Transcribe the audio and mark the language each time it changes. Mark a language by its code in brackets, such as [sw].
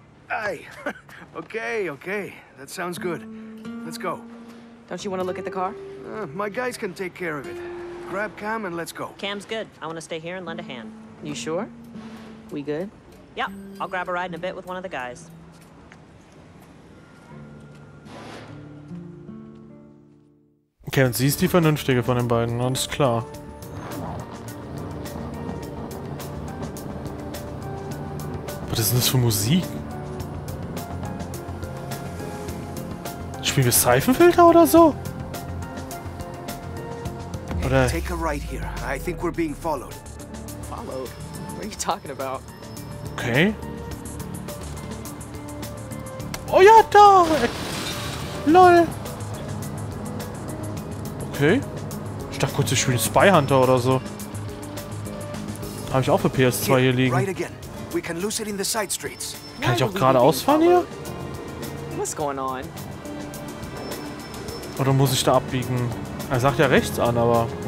[en] Aye. Okay. That sounds good. Let's go. Don't you want to look at the car? My guys can take care of it. Grab Cam and let's go. Cam's good. I want to stay here and lend a hand. You sure? We good? Yep. I'll grab a ride in a bit with one of the guys. [de] Okay, und sie ist die Vernünftige von den beiden. Alles klar. Was ist denn das für Musik? Spielen wir Seifenfilter oder so? [en] Oder? Take a right here. I think we're being followed. Followed? What are you talking about? Okay. [de] Oh ja, da! Lol! [en] Okay. [de] Ich dachte kurz, wir spielen Spy Hunter oder so. Habe ich auch für PS2 hier liegen. [en] Right again. We can lose it in the side streets. [de] Kann ich auch geradeaus fahren hier? [en] What's going on? [de] Oder muss ich da abbiegen? Er sagt ja rechts an, aber.